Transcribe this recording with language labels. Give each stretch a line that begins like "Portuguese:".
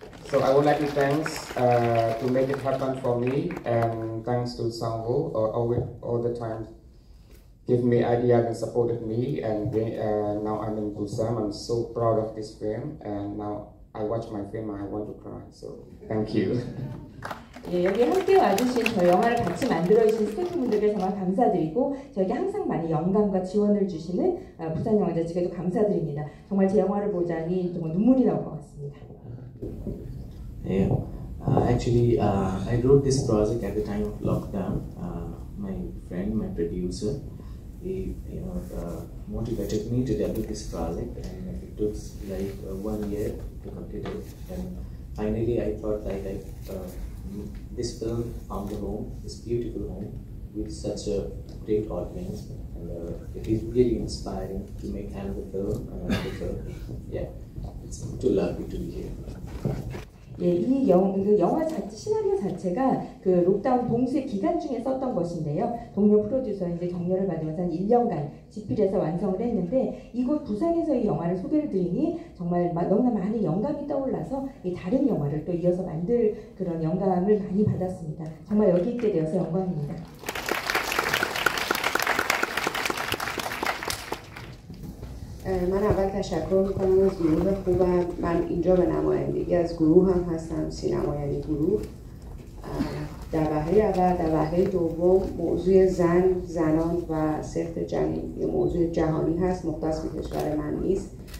English: So I would like to thanks to make it happen for me and thanks to Sang-ho all the time give me idea and supported me and they, now I'm in Busan. I'm so proud of this film and now I watch my film and I want to cry. So thank you.
Korean: 예, 여기 함께 와주신 저 영화를 같이 만들어주신 스태프분들께 정말 감사드리고 저에게 항상 많이 영감과 지원을 주시는 부산영화제 측에도 감사드립니다. 정말 제 영화를 보자니 정말 눈물이 나올 것 같습니다.
English: Yeah. Actually, I wrote this project at the time of lockdown. My friend, my producer, he you know, motivated me to develop this project and it took like 1 year to complete it. And finally, I thought like this film on the home, this beautiful home with such a great audience, and it is really inspiring to make another film. It's too lovely to be here.
Korean: 예, 이 영화 자체 시나리오 자체가 그 록다운 봉쇄 기간 중에 썼던 것인데요. 동료 프로듀서의 이제 격려를 받으면서 한 1년간 집필해서 완성을 했는데 이곳 부산에서 이 영화를 소개를 드리니 정말 너무나 많은 영감이 떠올라서 이 다른 영화를 또 이어서 만들 그런 영감을 많이 받았습니다. 정말 여기 있게 되어서 영광입니다.
Persian: من اول تشکر میکنم از گروه خوبم. من اینجا به نمایندگی از گروه هم هستم، سینمایی گروه. در وهله اول، در وهله دوم موضوع زن، زنان و سخت جنین یه موضوع جهانی هست، مختص به کشور من نیست.